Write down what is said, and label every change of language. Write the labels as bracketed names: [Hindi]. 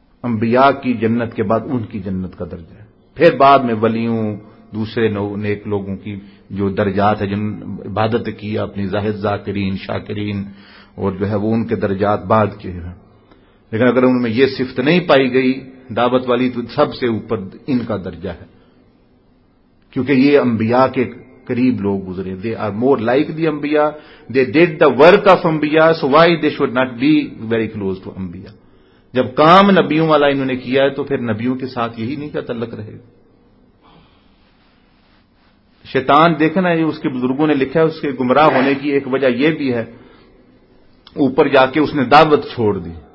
[Urdu] انبیاء کی جنت کے بعد ان کی جنت کا درجہ ہے، پھر بعد میں ولیوں، دوسرے نیک لوگوں کی جو درجات ہیں، جن عبادت کی اپنی، زاہد ذاکرین، شاکرین، اور جو ہے وہ ان کے درجات بعد کے ہیں. لیکن اگر ان میں یہ صفت نہیں پائی گئی دعوت والی، تو سب سے اوپر ان کا درجہ ہے، کیونکہ یہ انبیاء کے قریب لوگ گزرے. [English] They are more like the انبیاء، they did the work of انبیاء، so why they should not be very close to انبیاء. [Urdu] جب کام نبیوں والا انہوں نے کیا ہے، تو پھر نبیوں کے ساتھ یہی نہیں کا تعلق رہے گا. شیطان دیکھنا، یہ اس کے بزرگوں نے لکھا ہے، اس کے گمراہ ہونے کی ایک وجہ یہ بھی ہے، اوپر جا کے اس نے دعوت چھوڑ دی.